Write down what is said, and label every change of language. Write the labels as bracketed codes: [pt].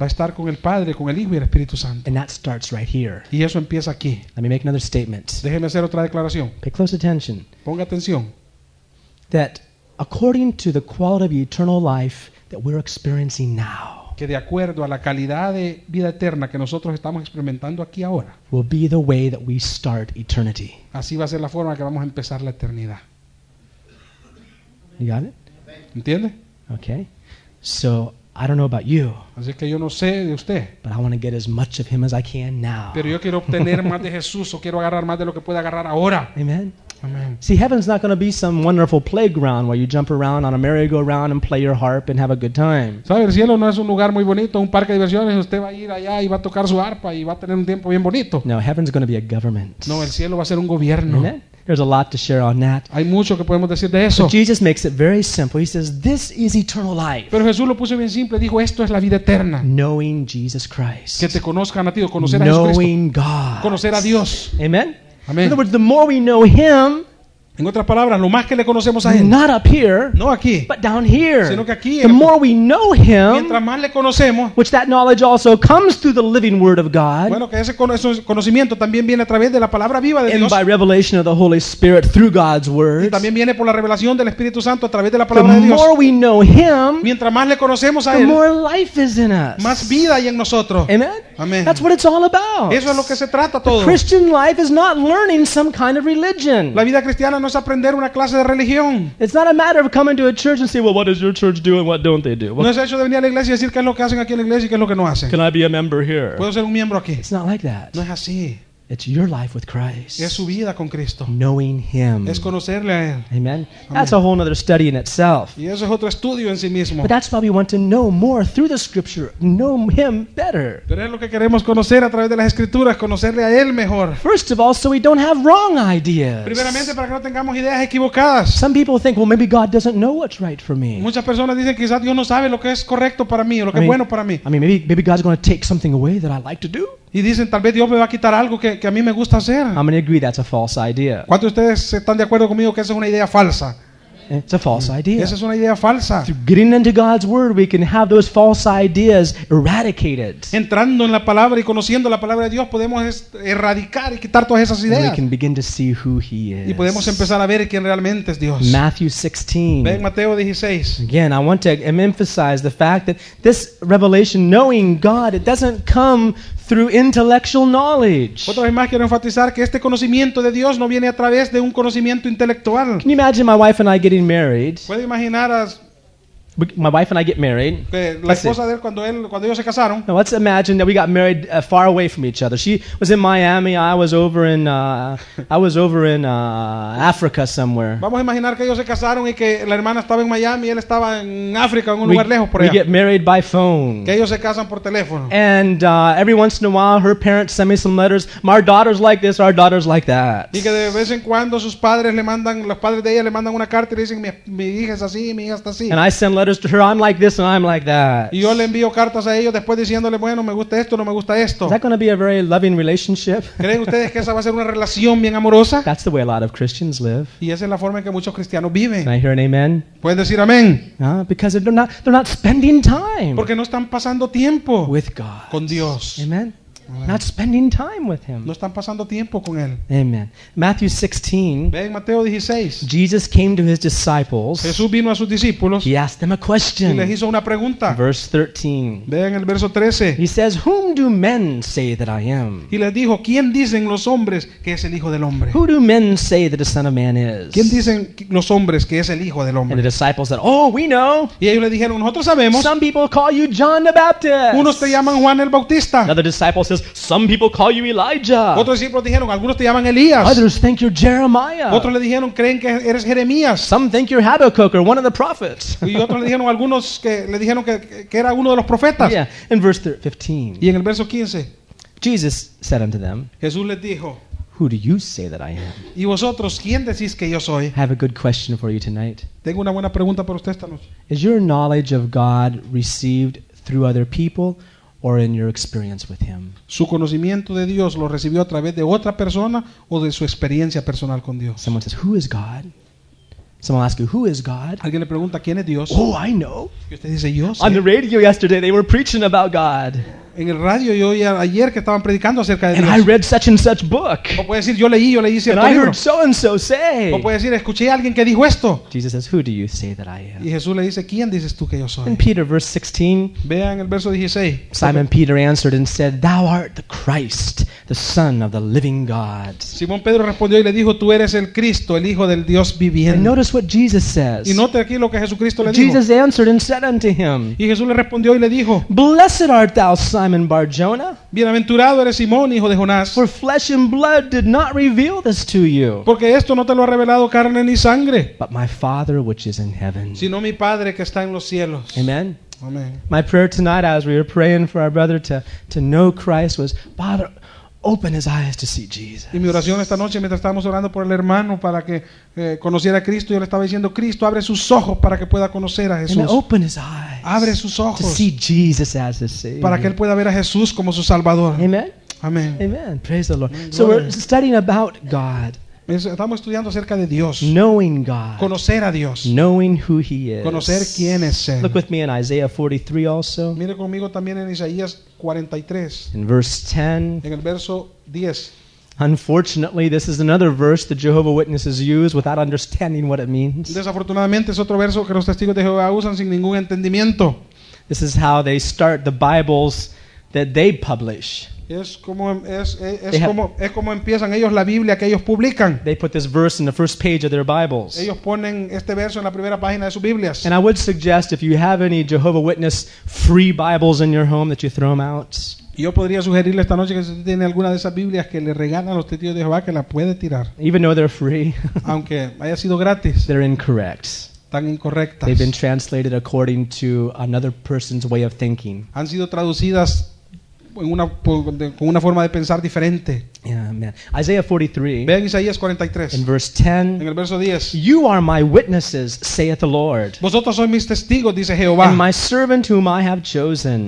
[es] Va a estar con el Padre, con el Hijo y el Espíritu Santo. [en] And that starts right here. [es] Y eso empieza aquí. [en] Let me make another statement. [es] Déjeme hacer otra declaración. [en] Pay close attention. [es] Ponga atención. [en] That according to the quality of eternal life that we're experiencing now, [es] que de acuerdo a la calidad de vida eterna que nosotros estamos experimentando aquí ahora, [en] will be the way that we start eternity. [es] Así va a ser la forma que vamos a empezar la eternidad. [en] You got it? [es] ¿Entiende? [en] Okay. So I don't know about you. [es] Así que yo no sé de usted. [en] But I want to get as much of him as I can now. [es] Pero yo quiero obtener más de Jesús o quiero agarrar más de lo que pueda agarrar ahora. [en] Amen. See, heaven's not going to be some wonderful playground where you jump around on a merry-go-round and play your harp and have a good time. [es] ¿Sabe? El cielo no es un lugar muy bonito, un parque de diversiones. Usted va a ir allá y va a tocar su arpa y va a tener un tiempo bien bonito. [en] No, heaven's going to be a government. [es] No, el cielo va a ser un gobierno. [en] Amen? There's a lot to share on that. [es] Hay mucho que podemos decir de eso. [en] But Jesus makes it very simple. He says, "This is eternal life." [es] Pero Jesús lo puso bien simple. Dijo, esto es la vida eterna. [en] Knowing Jesus Christ. [es] Que te conozcan a ti, conocer a [en] Jesucristo. Knowing God. [es] Conocer a Dios. [en] Amen. [es] Amen. [en] In other words, the more we know him, [es] en otras palabras, lo más que le conocemos a él, [en] not up here, [es] no aquí, [en] but down here, [es] sino que aquí, [en] the more we know him, [es] mientras más le conocemos, [en] which that knowledge also comes through the living word of God, [es] bueno, que ese conocimiento también viene a través de la palabra viva de Dios, [en] and by revelation of the Holy Spirit through God's word, [es] y también viene por la revelación del Espíritu Santo a través de la palabra de Dios. [en] The more we know him, [es] mientras más le conocemos a [en] the [es] él, [en] more life is in us, [es] más vida hay en nosotros. [en] Amen. [es] Amen. [en] That's what it's all about. [es] Eso es lo que se trata todo. [en] The Christian life is not learning some kind of religion. [es] La vida cristiana no es aprender una clase de religión. [en] It's not a matter of coming to a church and saying, well, what does your church do and what don't they do? [es] No es hecho de venir a la iglesia y decir qué es lo que hacen aquí en la iglesia y qué es lo que no hacen. [en] Can I be a member here? [es] ¿Puedo ser un miembro aquí? [en] It's not like that. [es] No es así. [en] It's your life with Christ. [es] Es su vida con Cristo. [en] Knowing him. [es] Es conocerle a él. [en] Amen. That's a whole other study in itself. [es] Y eso es otro estudio en sí mismo. [en] But that's why we want to know more through the scripture, know him better. [es] Pero es lo que queremos conocer a través de las escrituras, conocerle a él mejor. [en] First of all, so we don't have wrong ideas. [es] Primeramente para que no tengamos ideas equivocadas. [en] Some people think, well, maybe God doesn't know what's right for me. [es] Muchas personas dicen quizás Dios no sabe lo que es correcto para mí o lo que es bueno para mí. [en] I mean, maybe God's going to take something away that I like to do. [es] Y dicen, tal vez Dios me va a quitar algo que a mí me gusta hacer. [en] How many agree that's a false idea? [es] ¿Cuántos de ustedes están de acuerdo conmigo que esa es una idea falsa? [en] It's a false idea. [es] Esa es una idea falsa. [en] Through getting into God's word, we can have those false ideas eradicated. [es] Entrando en la palabra y conociendo la palabra de Dios, podemos erradicar y quitar todas esas ideas. [en] And we can begin to see who he is. [es] Y podemos empezar a ver quién realmente es Dios. [en] Matthew 16. [es] Ven, Mateo 16. [en] Again, I want to emphasize the fact that this revelation, knowing God, it doesn't come through intellectual knowledge. [es] Otra vez más quiero enfatizar que este conocimiento de Dios no viene a través de un conocimiento intelectual. [en] Can you imagine my wife and I getting married? [es] ¿Puede imaginar a [en] My wife and I get married. [es] La esposa de él cuando él, cuando ellos se casaron. [en] Now let's imagine that we got married far away from each other. She was in Miami, I was over in Africa somewhere. [es] Vamos a imaginar que ellos se casaron y que la hermana estaba en Miami y él estaba en África, en un lugar lejos por allá. [en] We get married by phone. [es] Que ellos se casan por teléfono. [en] And every once in a while, her parents send me some letters. My daughter's like this, our daughter's like that. [es] Y que de vez en cuando sus padres le mandan, los padres de ella le mandan una carta y le dicen mi hija es así, mi hija está así. [en] And I send letters to her, I'm like this and I'm like that. [es] Yo le envío cartas a ellos después diciéndole, bueno, me gusta esto, no me gusta esto. [en] Is that going to be a very loving relationship? [es] ¿Creen ustedes que esa va a ser una relación bien amorosa? [en] That's the way a lot of Christians live. [es] Y esa es la forma en que muchos cristianos viven. [en] Can I hear an amen? [es] ¿Pueden decir amén? [en] Because they're not spending time. [es] Porque no están pasando tiempo [en] with God. [es] Con Dios. [en] Amen. Not spending time with him. [es] No están pasando tiempo con él. [en] Amen. Matthew 16. [es] Ven, Mateo 16. [en] Jesus came to his disciples. [es] Jesús vino a sus discípulos. [en] He asked them a question. [es] Y les hizo una pregunta. [en] Verse 13. [es] Ven el verso 13. [en] He says, "Whom do men say that I am?" [es] Y les dijo, "¿Quién dicen los hombres que es el Hijo del Hombre?" [en] Who do men say that the Son of Man is? [es] ¿Quién dicen los hombres que es el Hijo del Hombre? [en] And the disciples said, "Oh, we know." [es] Y ellos le dijeron, "Nosotros sabemos." [en] Some people call you John the Baptist. [es] Unos te llaman Juan el Bautista. [en] Another disciple says, "Some people call you Elijah." [es] Otros discípulos dijeron, "Algunos te llaman Elías." [en] Others think you're Jeremiah. [es] Otros le dijeron, "Creen que eres Jeremías." [en] Some think you're Habakkuk or one of the prophets. [es] Y otros le dijeron, "Algunos le dijeron que era uno de los profetas." [en] Yeah, in verse 15. [es] Y en el verso 15. [en] Jesus said unto them. [es] Jesús les dijo, [en] "Who do you say that I am?" [es] ¿Y vosotros quién decís que yo soy? [en] I have a good question for you tonight. [es] Tengo una buena pregunta para usted esta noche. [en] Is your knowledge of God received through other people? Or in your experience with him. [es] Su conocimiento de Dios lo recibió a través de otra persona o de su experiencia personal con Dios. [en] Someone says, "Who is God?" Someone asks you, "Who is God?" [es] Alguien le pregunta, ¿quién es Dios? [en] Oh, I know. [es] Y usted dice, yo sé. [en] On the radio yesterday, they were preaching about God. [es] En el radio yo oía ayer que estaban predicando acerca de Dios. [en] And I read such and such book. [es] O puede decir, yo leí cierto [en] libro. And I heard so and so say. [es] O puede decir, escuché a alguien que dijo esto. [en] Jesus says, "Who do you say that I am?" [es] Y Jesús le dice, ¿quién dices tú que yo soy? [en] In Peter verse 16. [es] Vean el verso 16. [en] Simon Peter answered and said, "Thou art the Christ, the Son of the living God." [es] Simón Pedro respondió y le dijo, "Tú eres el Cristo, el Hijo del Dios viviente." [en] And notice what Jesus says. [es] Y note aquí lo que Jesucristo le dijo. [en] Jesus answered and said unto him. [es] Y Jesús le respondió y le dijo, [en] "Blessed art thou, Simon Bar-Jonah. [es] Bienaventurado eres Simón, hijo de Jonás. [en] For flesh and blood did not reveal this to you. [es] Porque esto no te lo ha revelado carne ni sangre. [en] But my Father which is in heaven. [es] Sino mi Padre que está en los cielos." [en] Amen. My prayer tonight as we were praying for our brother to know Christ was, "Father, open his eyes to see Jesus." [es] Y mi oración esta noche mientras estábamos orando por el hermano para que conociera a Cristo, yo le estaba diciendo, "Cristo, abre sus ojos para que pueda conocer a Jesús." [en] And open his eyes. [es] Abre sus ojos. [en] To see Jesus as his Savior. [es] Para que él pueda ver a Jesús como su Salvador. [en] Amen. [es] Amen. [en] Amen. Praise the Lord. So we're studying about God. [es] Estamos estudiando acerca de Dios. [en] Knowing God. [es] Conocer a Dios. [en] Knowing who he is. [es] Conocer quién es él. [en] Look with me in Isaiah 43 also. [es] Mire conmigo también en Isaías 43. [en] In verse 10. [es] En el verso 10. [en] Unfortunately, this is another verse the Jehovah Witnesses use without understanding what it means. [es] Desafortunadamente es otro verso que los testigos de Jehová usan sin ningún entendimiento. [en] This is how they start the Bibles that they publish. [es] Es como empiezan ellos la Biblia que ellos publican. [en] They put this verse in the first page of their Bibles. [es] Ellos ponen este verso en la primera página de sus Biblias. [en] And I would suggest if you have any Jehovah Witness free Bibles in your home that you throw them out. [es] Yo podría sugerirle esta noche que si tiene alguna de esas Biblias que le regalan los testigos de Jehová que la puede tirar. [en] Even though they're free. [es] Aunque haya sido gratis. [en] They're incorrect. [es] Tan incorrectas. [en] They've been translated according to another person's way of thinking. [es] Han sido traducidas con una forma de pensar diferente. [en] Amen. Isaiah 43. [es] Ven Isaías 43. [en] In verse 10. [es] En el verso 10. [en] "You are my witnesses, saith the Lord." [es] Vosotros sois mis testigos, dice Jehová. [en] "And my servant whom I have chosen."